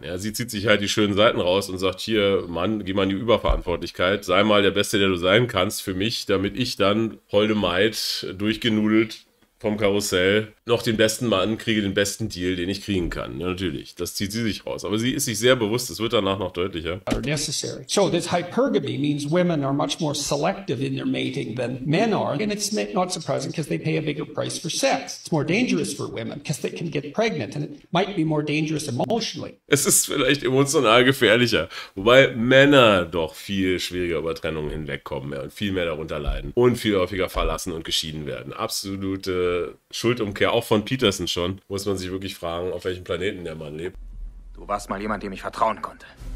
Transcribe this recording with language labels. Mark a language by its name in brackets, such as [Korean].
[German] Ja, sie zieht sich halt die schönen Seiten raus und sagt, hier, Mann, geh mal in die Überverantwortlichkeit. Sei mal der Beste, der du sein kannst für mich, damit ich dann holde Maid durchgenudelt vom Karussell noch den besten Mann kriege, den besten Deal, den ich kriegen kann. Ja, natürlich, das zieht sie sich raus. Aber sie ist sich sehr bewusst, es wird danach noch deutlicher. [English] Necessary. So, this hypergamy means women are much more selective in their mating than men are. And it's not surprising, because they pay a bigger price for sex. It's more dangerous for women, because they can get pregnant and it might be more dangerous emotionally. [German] Es ist vielleicht emotional gefährlicher. Wobei Männer doch viel schwieriger über Trennungen hinwegkommen und viel mehr darunter leiden und viel häufiger verlassen und geschieden werden. Absolute Schuldumkehr, auch von Peterson schon, muss man sich wirklich fragen, auf welchem Planeten der Mann lebt. Du warst mal jemand, dem ich vertrauen konnte.